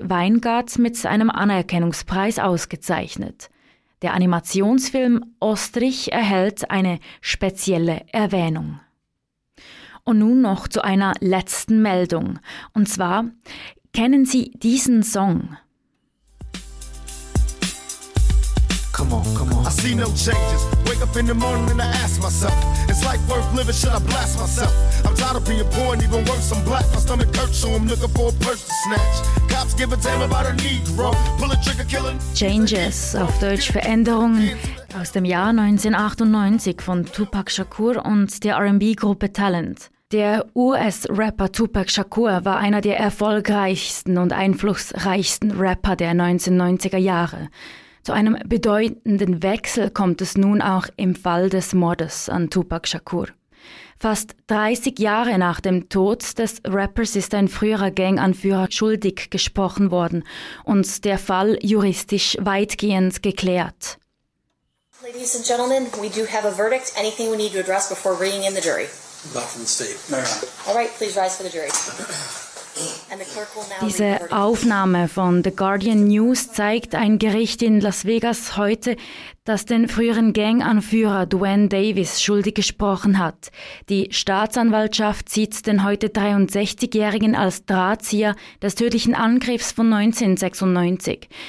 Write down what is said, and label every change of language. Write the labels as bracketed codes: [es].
[de] Weingart mit einem Anerkennungspreis ausgezeichnet. Der Animationsfilm Ostrich erhält eine spezielle Erwähnung. Und nun noch zu einer letzten Meldung. Und zwar, kennen Sie diesen Song? [en] Come on, come on. I see no changes. Wake up in the morning and I ask myself, is life worth living? Should I blast myself? I'm tired of being poor and even worse, I'm black. My stomach hurts, so I'm looking for a purse to snatch. Cops give a damn about a Negro. Pull a trigger, killing. [de] Changes, auf Deutsch Veränderungen. Aus dem Jahr 1998 von Tupac Shakur und der R&B-Gruppe Talent. Der US-Rapper Tupac Shakur war einer der erfolgreichsten und einflussreichsten Rapper der 1990er Jahre. Zu einem bedeutenden Wechsel kommt es nun auch im Fall des Mordes an Tupac Shakur. Fast 30 Jahre nach dem Tod des Rappers ist ein früherer Ganganführer schuldig gesprochen worden und der Fall juristisch weitgehend geklärt. [en] Ladies and gentlemen, we do have a verdict. Anything we need to address before bringing in the jury? Not from the state. No, no. All right, please rise for the jury. [de] Diese Aufnahme von The Guardian News zeigt ein Gericht in Las Vegas heute, das den früheren Ganganführer Duane Davis schuldig gesprochen hat. Die Staatsanwaltschaft sieht den heute 63-Jährigen als Drahtzieher des tödlichen Angriffs von 1996.